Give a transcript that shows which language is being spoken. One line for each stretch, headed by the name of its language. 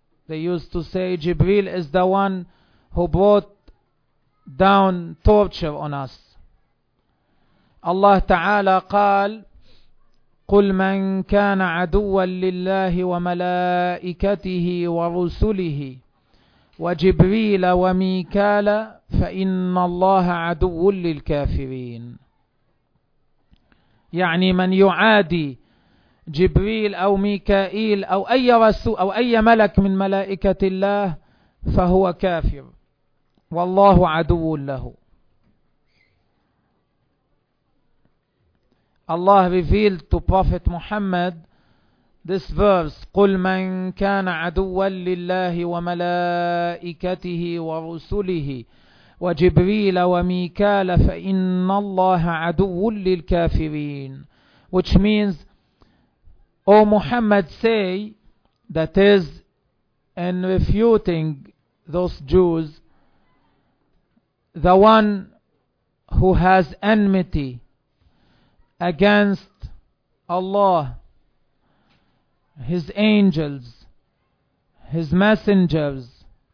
English: They used to say Jibril is the one who brought down torture on us.
Arabic: Allah Ta'ala قال قل من كان عدوا لله وملائكته ورسله وجبريل وميكال فإن الله عدو للكافرين. يعني من يعادي جبريل أو ميكائيل أو أي رسول أو أي ملك من ملائكة الله فهو كافر والله عدو له.
English: Allah revealed to Prophet Muhammad this verse,
Arabic: قُلْ مَنْ كَانَ عَدُوًا لِلَّهِ وَمَلَائِكَتِهِ وَرُسُلِهِ وَجِبْرِيلَ وَمِيكَالَ فَإِنَّ اللَّهَ عَدُوٌ لِلْكَافِرِينَ.
English: Which means, O Muhammad, say, that is, in refuting those Jews, the one who has enmity against Allah, His angels, His messengers,